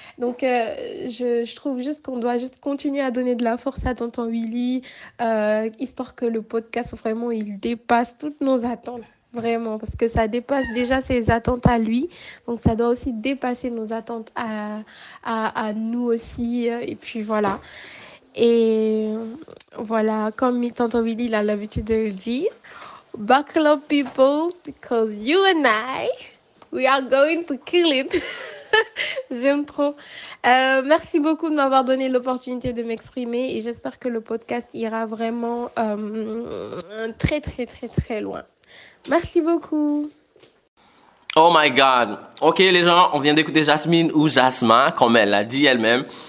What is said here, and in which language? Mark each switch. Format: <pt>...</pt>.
<fr>Donc, je trouve juste qu'on doit juste continuer à donner de la force à Tonton Willy, histoire que le podcast, vraiment, il dépasse toutes nos attentes. Vraiment, parce que ça dépasse déjà ses attentes à lui. Donc, ça doit aussi dépasser nos attentes à nous aussi. Et puis voilà. Et voilà, comme Tonton Willy, il a l'habitude de le dire.</fr> <en>Buckle up, people, because you and I, we are going to kill it.</en> <fr>J'aime trop. Merci beaucoup de m'avoir donné l'opportunité de m'exprimer et j'espère que le podcast ira vraiment très, très, très, très loin. Merci beaucoup.</fr> <en>Oh my God.</en> <fr>Ok, les gens, on vient d'écouter Jasmine ou Jasma, comme elle l'a dit elle-même.</fr>